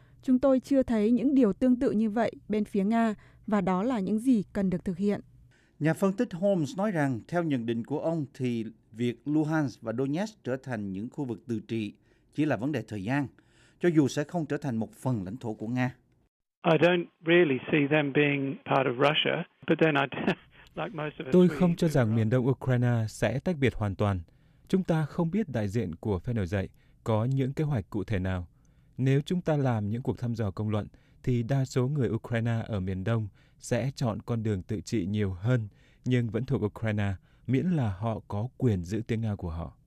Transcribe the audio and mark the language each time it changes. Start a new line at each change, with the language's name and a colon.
Vietnamese: Chúng tôi chưa thấy những điều tương tự như vậy bên phía Nga, và đó là những gì cần được thực hiện. Nhà phân tích Holmes nói rằng, theo nhận định của ông, thì việc Luhansk và Donetsk trở thành những khu vực tự trị chỉ là vấn đề thời gian, cho dù sẽ không trở thành một phần lãnh thổ của Nga.
English: I don't really see them being part of Russia, but then I
Vietnamese: tôi không cho rằng miền đông Ukraine sẽ tách biệt hoàn toàn. Chúng ta không biết đại diện của phe nổi dậy có những kế hoạch cụ thể nào. Nếu chúng ta làm những cuộc thăm dò công luận, thì đa số người Ukraine ở miền đông sẽ chọn con đường tự trị nhiều hơn, nhưng vẫn thuộc Ukraine, miễn là họ có quyền giữ tiếng Nga của họ.